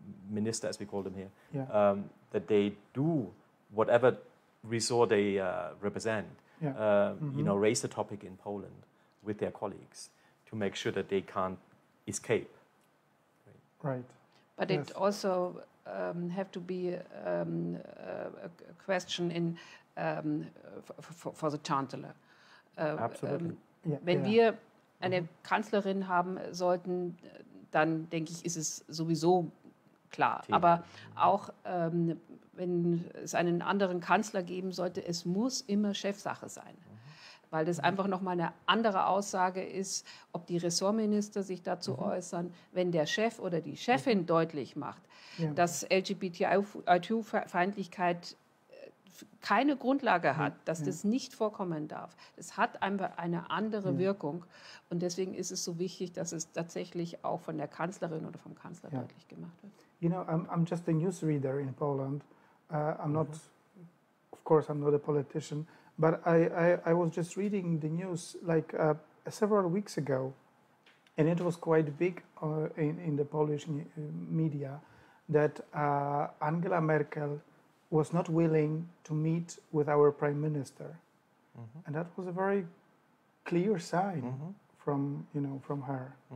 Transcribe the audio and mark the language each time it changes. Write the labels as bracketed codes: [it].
[en] minister, as we call them here, that they do whatever resort they represent, you know, raise the topic in Poland with their colleagues to make sure that they can't escape. Right. But it also have to be a question in for the Chancellor. Absolutely. [de] Wenn wir eine Kanzlerin haben sollten, dann denke ich, ist es sowieso klar. Aber auch wenn es einen anderen Kanzler geben sollte, es muss immer Chefsache sein. Weil das einfach nochmal eine andere Aussage ist, ob die Ressortminister sich dazu äußern, wenn der Chef oder die Chefin deutlich macht, dass LGBTIQ-Feindlichkeit keine Grundlage hat, dass das nicht vorkommen darf. Es hat einfach eine andere Wirkung. Und deswegen ist es so wichtig, dass es tatsächlich auch von der Kanzlerin oder vom Kanzler deutlich gemacht wird. [en] You know, I'm just a newsreader in Poland. I'm not, of course, I'm not a politician, but I was just reading the news like several weeks ago, and it was quite big in the Polish media that Angela Merkel was not willing to meet with our prime minister, and that was a very clear sign from her.